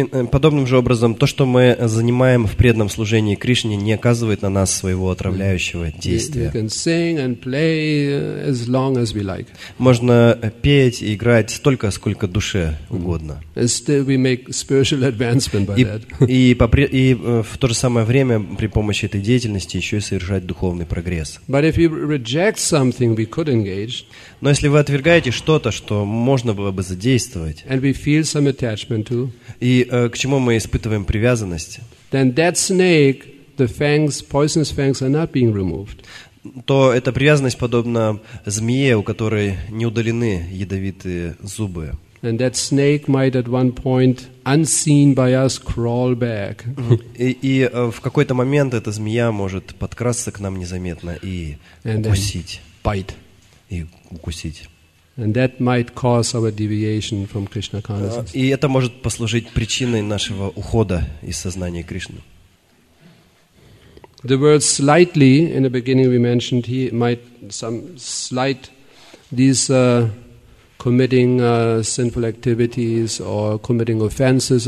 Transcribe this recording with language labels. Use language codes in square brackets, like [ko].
[ru] Подобным же образом, то, что мы занимаем в преданном служении Кришне, не оказывает на нас своего отравляющего действия. [en] We can sing and play as long as we like. [ru] Можно петь и играть столько, сколько душе угодно. [en] And still we make spiritual advancement by that. [ru] И в то же самое время при помощи этой деятельности еще и совершать духовный прогресс. [en] But if you reject something, we could engage. [ru] Но если вы отвергаете что-то, что можно было бы задействовать, [en] and we feel some attachment to, [ru] и к чему мы испытываем привязанность, [en] then that snake, the fangs, poisonous fangs are not being removed. [ru] То эта привязанность подобна змее, у которой не удалены ядовитые зубы. [en] And that snake might at one point, unseen by us, crawl back. [ru] И в какой-то момент эта змея может подкрасться к нам незаметно и укусить. [en] Bite. [ru] И укусить. [en] And that might cause our deviation from Krishna consciousness. [ru] И это может послужить причиной нашего ухода из сознания Кришны. [en] The word slightly in the beginning we mentioned, he might some slight these committing sinful activities or committing offenses.